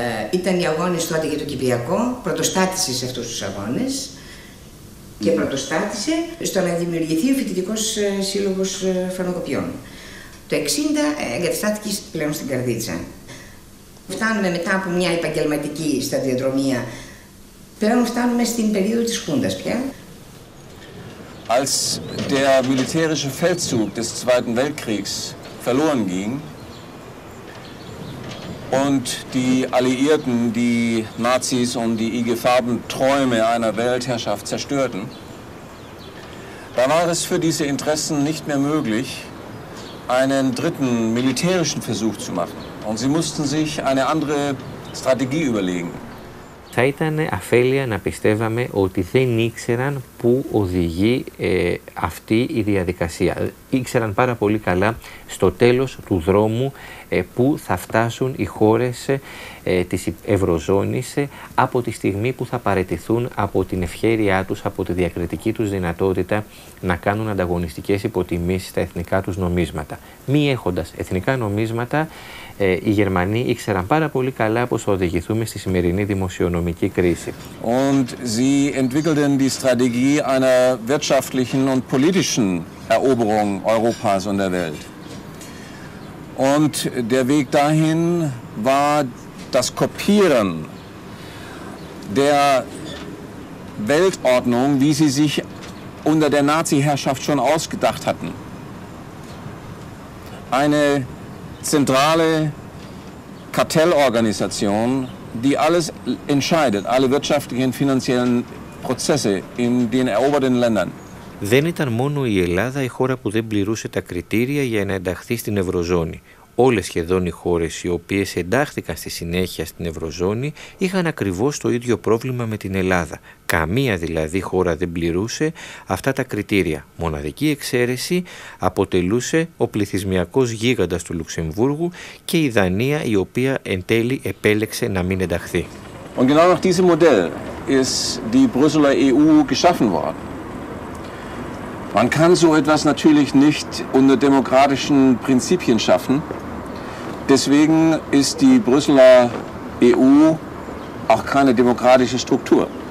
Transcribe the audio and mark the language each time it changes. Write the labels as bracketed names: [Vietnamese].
[Greek] Ήταν οι αγώνες τότε για το Κυπριακό, πρωτοστάτησε σε αυτούς τους αγώνες και πρωτοστάτησε στο να δημιουργηθεί ο Φοιτητικός Σύλλογος Φαρμακοποιών. Το 60 εγκαταστάθηκε πλέον στην Καρδίτσα. Φτάνουμε μετά από μια επαγγελματική σταδιοδρομία. Πλέον φτάνουμε στην περίοδο της Χούντας πια. [German] Als der militärische Feldzug des Zweiten Weltkriegs verloren ging und die Alliierten, die Nazis und die IG Farben Träume einer Weltherrschaft zerstörten, da war es für diese Interessen nicht mehr möglich, einen dritten militärischen Versuch zu machen. Und sie mussten sich eine andere Strategie überlegen. [Greek] Θα ήταν αφέλεια να πιστεύαμε ότι δεν ήξεραν πού οδηγεί αυτή η διαδικασία. Ήξεραν πάρα πολύ καλά στο τέλος του δρόμου πού θα φτάσουν οι χώρες της Ευρωζώνης από τη στιγμή που θα παραιτηθούν από την ευχέρειά τους, από τη διακριτική τους δυνατότητα να κάνουν ανταγωνιστικές υποτιμήσεις στα εθνικά τους νομίσματα. Μη έχοντας εθνικά νομίσματα, οι Γερμανοί ήξεραν πάρα πολύ καλά πως θα οδηγηθούμε στη σημερινή δημοσιονομική κρίση. [German] Und sie entwickelten die Strategie einer wirtschaftlichen und politischen Eroberung Europas und der Welt. Und der Weg dahin war das Kopieren der Weltordnung, wie sie sich unter der Nazi-Herrschaft schon ausgedacht hatten. Eine zentrale Kartellorganisation, die alles entscheidet, alle wirtschaftlichen, finanziellen Prozesse in den eroberten Ländern. [Greek] Δεν ήταν μόνο η Ελλάδα η χώρα που δεν πληρούσε τα κριτήρια για να ενταχθεί στην Ευρωζώνη. Όλες σχεδόν οι χώρες οι οποίες εντάχθηκαν στη συνέχεια στην Ευρωζώνη είχαν ακριβώς το ίδιο πρόβλημα με την Ελλάδα. Καμία δηλαδή χώρα δεν πληρούσε αυτά τα κριτήρια. Μοναδική εξαίρεση αποτελούσε ο πληθυσμιακός γίγαντας του Λουξεμβούργου και η Δανία, η οποία εν τέλει επέλεξε να μην ενταχθεί. [German] Und genau nach diesem Modell ist die Brüsseler EU geschaffen worden. Man kann so etwas natürlich nicht unter demokratischen Prinzipien schaffen. Deswegen ist die Brüsseler EU auch keine demokratische Struktur.